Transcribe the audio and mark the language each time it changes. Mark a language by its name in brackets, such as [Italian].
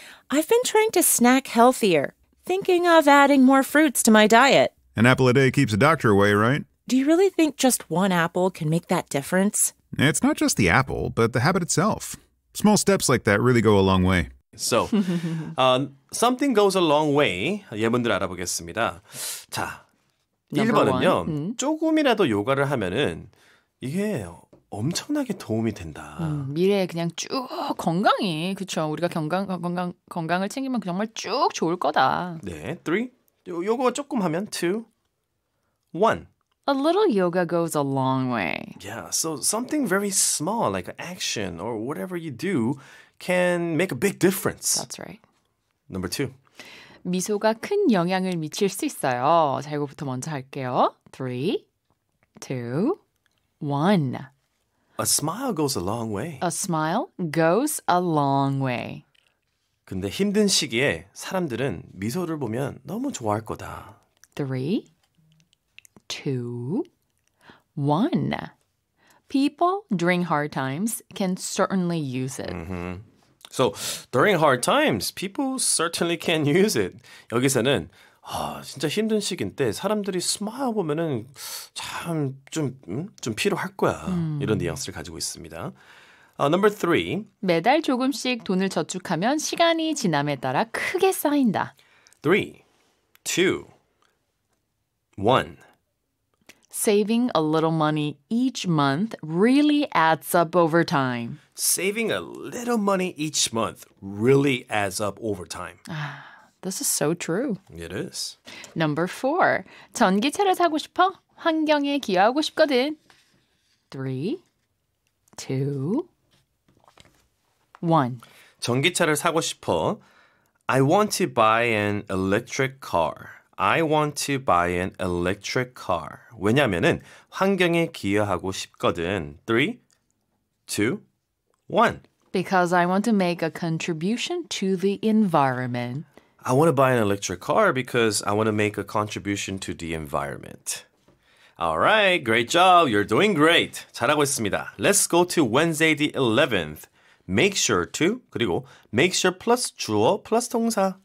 [English] I've been trying to snack healthier, thinking of adding more fruits to my diet. An apple a day keeps a doctor away, right? Do you really think just one apple can make that difference? It's not just the apple, but the habit itself. Small steps like that really go a long way. So, something goes a long way. [Korean] 예문들 알아보겠습니다. 자, 1번은요, 조금이라도 요가를 하면은 이게 엄청나게 도움이 된다. 미래에 그냥 쭉 건강이, 그렇죠? 우리가 건강을 챙기면 정말 쭉 좋을 거다. 네, 3. 요거 조금 하면 2. 1. [English] A little yoga goes a long way. Yeah, so something very small, like an action or whatever you do, can make a big difference. That's right. Number 2. [Korean] 미소가 큰 영향을 미칠 수 있어요. 자, 이거부터 먼저 할게요. [English] 3, 2, 1. A smile goes a long way. A smile goes a long way. [Korean] 근데 힘든 시기에 사람들은 미소를 보면 너무 좋아할 거다. [English] 3, 2, 1. People during hard times can certainly use it. So during hard times, people certainly can use it. [Korean] 여기서는 아, 진짜 힘든 시기인 때 사람들이 스마일 보면은 참 좀 좀 필요할 거야. 이런 뉘앙스를 가지고 있습니다. [English] Number three. [Korean] 매달 조금씩 돈을 저축하면 시간이 지남에 따라 크게 쌓인다. [English] Three, two, one. Saving a little money each month really adds up over time. Saving a little money each month really adds up over time. This is so true. It is. Number four. [Korean] 전기차를 사고 싶어? 환경에 기여하고 싶거든. [English] Three, two, one. [Korean] 전기차를 사고 싶어? [English] I want to buy an electric car. I want to buy an electric car. [Korean] 왜냐면은 환경에 기여하고 싶거든. [English] 3, 2, 1. Because I want to make a contribution to the environment. I want to buy an electric car because I want to make a contribution to the environment. All right, great job. You're doing great. [Korean] 잘하고 있습니다. [English] Let's go to Wednesday the 11th. Make sure to, [Korean] 그리고 [English] make sure plus 주어 plus 동사.